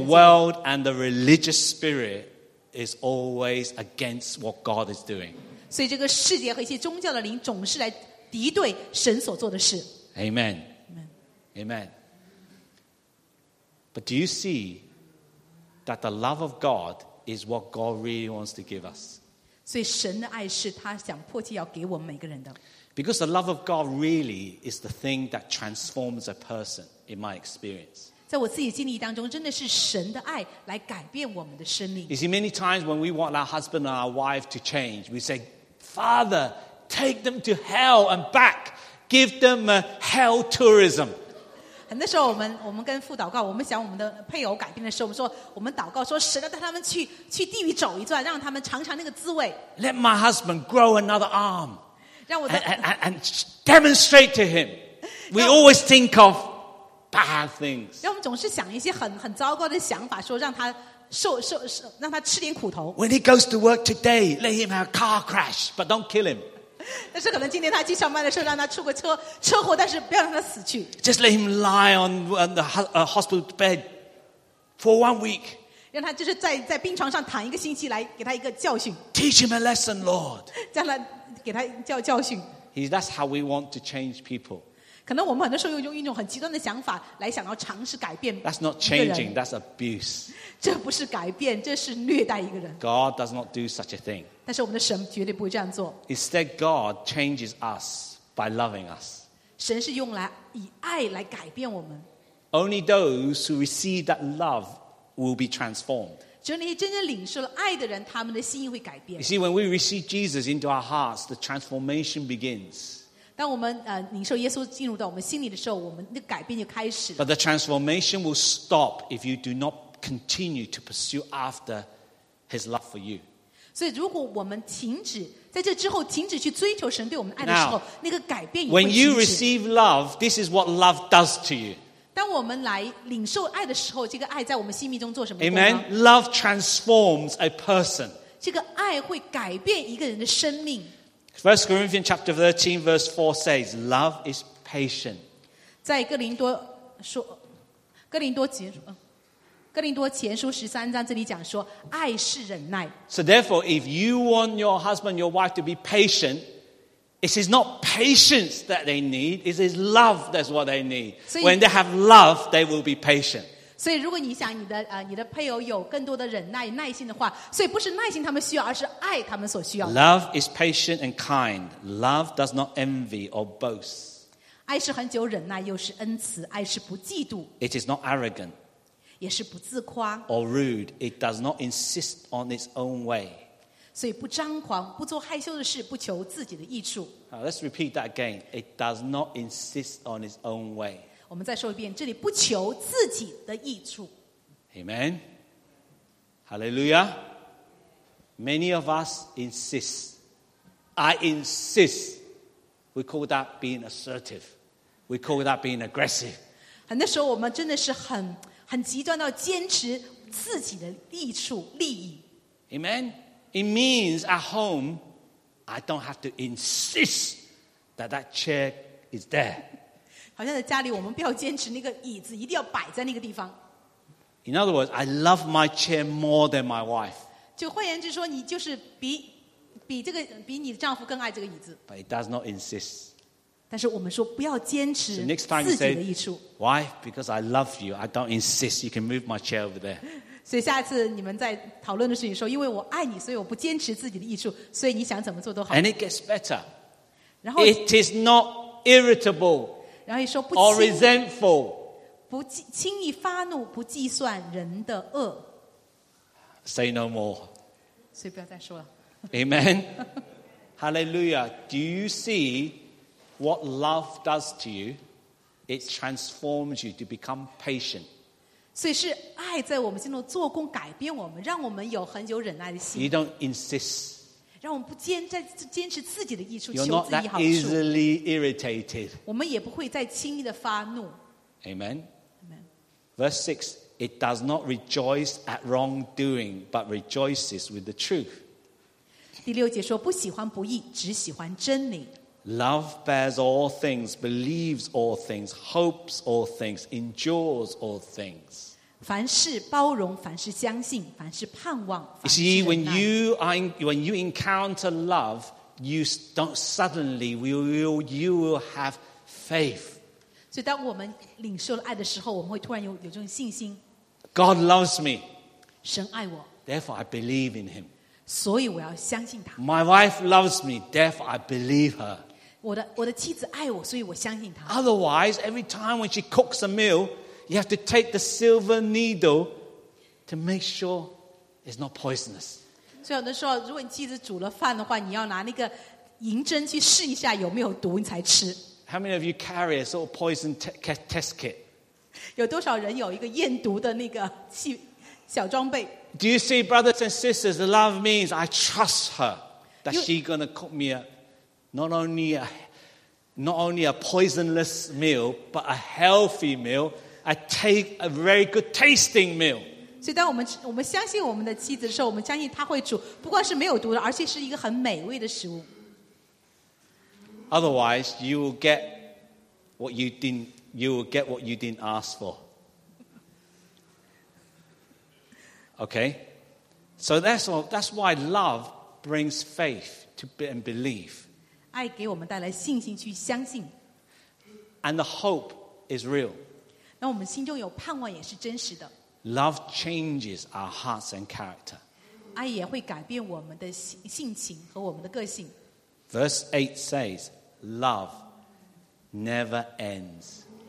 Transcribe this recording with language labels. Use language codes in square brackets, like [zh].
[en] The world and the religious spirit is always against what God is doing. [zh] 所以这个世界和一些宗教的灵总是来敌对神所做的事 [en] Amen. Amen. Amen. But do you see that the love of God is what God really wants to give us? [zh] 所以神的爱是他想迫切要给我们每个人的。 [en] Because the love of God really is the thing that transforms a person, in my experience. [zh] 在我自己经历当中，真的是神的爱来改变我们的生命。 [en] You see, many times when we want our husband and our wife to change, we say, Father, take them to hell and back. Give them a hell tourism. [zh] 很多时候我们跟父祷告，我们想我们的配偶改变的时候，我们祷告说，神要带他们去地狱走一转，让他们尝尝那个滋味。 [en] Let my husband grow another arm. [zh] 让我的 [en] and demonstrate to him. We always think of bad things. [zh] 让我们总是想一些很糟糕的想法，说让他受让他吃点苦头。 [en] When he goes to work today, let him have a car crash, but don't kill him. [zh] 但是可能今天他去上班的时候让他出个车祸但是不要让他死去 [en] Just let him lie on the hospital bed for one week [zh] 让他就是 在病床上躺一个星期来给他一个教训 [en] Teach him a lesson Lord [zh] 这样来给他教训 [en] That's how we want to change people [zh] 可能我们很多时候用一种很极端的想法来想要尝试改变 [en] That's not changing That's abuse [zh] 这不是改变这是虐待一个人 [en] God does not do such a thing [zh] 但是我们的神绝对不会这样做。 [en] Instead, God changes us by loving us. [zh] 神是用来以爱来改变我们。 [en] Only those who receive that love will be transformed. [zh] 只有那些真正领受了爱的人，他们的心意会改变。 [en] You see, when we receive Jesus into our hearts, the transformation begins. [zh] 当我们领受耶稣进入到我们心里的时候，我们的改变就开始了。 [en] But the transformation will stop if you do not continue to pursue after His love for you. [zh] 所以，如果我们停止在这之后停止去追求神对我们爱的时候， [en] Now, [zh] 那个改变也会停止。 [en] When you receive love, this is what love does to you. [zh] 当我们来领受爱的时候，这个爱在我们心命中做什么功呢？ [en] Amen. Love transforms a person. [zh] 这个爱会改变一个人的生命。 [en] First Corinthians chapter 13 verse 4 says, "Love is patient." [zh] 在哥林多说，哥林多前书十三章这里讲说，爱是忍耐。 [en] So therefore, if you want your husband, your wife to be patient, it is not patience that they need; it is love that's what they need. When they have love, they will be patient. [zh] 所以，如果你想你的配偶有更多的忍耐、耐心的话，所以不是耐心他们需要，而是爱他们所需要。 [en] Love is patient and kind. Love does not envy or boast. [zh] 爱是很久忍耐，又是恩慈，爱是不嫉妒。 [en] It is not arrogant. [zh] 也是不自夸 [en] or rude, it does not insist on its own way. [zh] 所以不张狂，不做害羞的事，不求自己的益处。 [en] Let's repeat that again. It does not insist on its own way. [zh] 我们再说一遍，这里不求自己的益处。 [en] Amen. Hallelujah. Many of us insist. I insist. We call that being assertive. We call that being aggressive. [zh] 那时候我们真的是很极端到坚持自己的益处利益。 [en] Amen. It means at home, I don't have to insist that that chair is there. [zh] 好像在家里，我们不要坚持那个椅子一定要摆在那个地方。 [en] In other words, I love my chair more than my wife. [zh] 就换言之说，你就是比这个比你的丈夫更爱这个椅子。 [en] But it does not insist. [zh] 但是我们说不要坚持自己的益处。 [en] Why? Because I love you. I don't insist. You can move my chair over there. [zh] 所以下次你们在讨论的时候，你说因为我爱你，所以我不坚持自己的益处，所以你想怎么做都好。 [en] And it gets better. [zh] 然后 [en] it is not irritable. [zh] 然后也说不 [en] or resentful. [zh] 不轻易发怒，不计算人的恶。 [en] Say no more. [zh] 所以不要再说了。 [en] Amen. Hallelujah. Do you see what love does to you? It transforms you to become patient. [zh] 所以是爱在我们心中做工，改变我们，让我们有很有忍耐的心。 [en] You don't insist. [zh] 让我们不坚持自己的益处，求自己好处。 [en] You're not that easily irritated. [zh] 我们也不会再轻易的发怒。 [en] Amen. Verse 6, it does not rejoice at wrongdoing, but rejoices with the truth. [zh] 第六节说不喜欢不义，只喜欢真理。 [en] Love bears all things, believes all things, hopes all things, endures all things. [zh] 凡事包容，凡事相信，凡事盼望，凡事忍耐。 [en] You see, when you encounter love, you don't suddenly, you will have faith. [zh] 所以当我们领受了爱的时候，我们会突然有这种信心。 [en] God loves me. [zh] 神爱我。 [en] Therefore, I believe in him. [zh] 所以我要相信他。 [en] My wife loves me. Therefore, I believe her. [zh] 我的妻子爱我，所以我相信她。 [en] Otherwise, every time when she cooks a meal, you have to take the silver needle to make sure it's not poisonous. [zh] 所以有的时候，如果你妻子煮了饭的话，你要拿那个银针去试一下有没有毒，你才吃。 [en] How many of you carry a sort of poison test kit? [zh] 有多少人有一个验毒的那个小装备？ [en] Do you see, brothers and sisters, love means I trust her that she's going to cook me not only a poisonless meal, but a healthy meal, a very good tasting meal. [zh] 所以当我们相信我们的妻子的时候，我们相信她会煮不光是没有毒的，而且是一个很美味的食物。 [en] Otherwise, you will get what you didn't ask for. Okay? So that's why love brings faith to be and belief. [zh] 爱给我们带来信心去相信。 [en] And the hope is real. [zh] 那我们心中有盼望也是真实的。 [en] Love changes our hearts and character. [zh] 爱也会改变我们的性情和我们的个性。 [en] Verse 8 says,Love never ends.